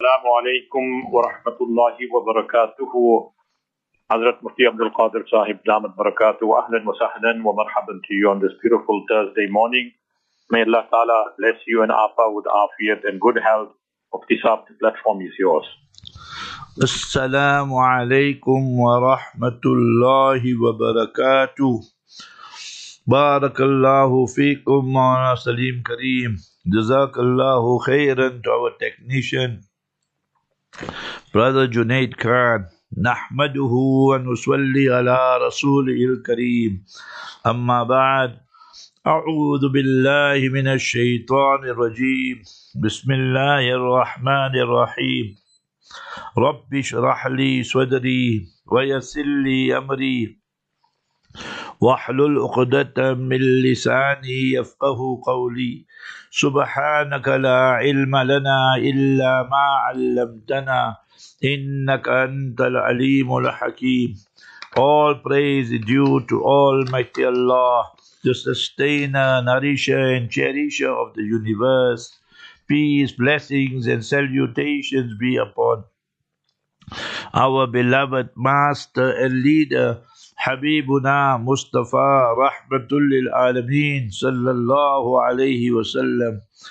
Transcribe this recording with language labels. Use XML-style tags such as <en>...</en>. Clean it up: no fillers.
<ar>السلام عليكم ورحمة الله وبركاته. حضرة مفتي عبد القادر صاحب دامت بركاته، أهلا وسهلا ومرحبا</ar> <en>to you on this beautiful Thursday morning. May Allah Ta'ala bless you and Afa with Afiyat and good health. Mufti Saab, the platform is yours.</en> <ar>السلام عليكم ورحمة الله وبركاته. بارك الله فيكم مولانا سليم كريم. جزاك الله خيرا</ar> <en>to our technician, brother Junaid Khan.</en> <ar>نحمده ونصلي على رسوله الكريم. أما بعد، أعوذ بالله من الشيطان الرجيم. بسم الله الرحمن الرحيم. رب اشرح لي صدري ويسر لي أمري واحلل عقدة من لساني يفقه قولي سبحانك لا علم لنا إلا ما علمتنا إنك أنت العليم الحكيم.</ar> <en>All praise is due to Almighty Allah, the sustainer, nourisher and cherisher of the universe. Peace, blessings and salutations be upon our beloved master and leader Habibuna Mustafa Rahmatul Lil Alameen Sallallahu Alaihi Wasallam.</en>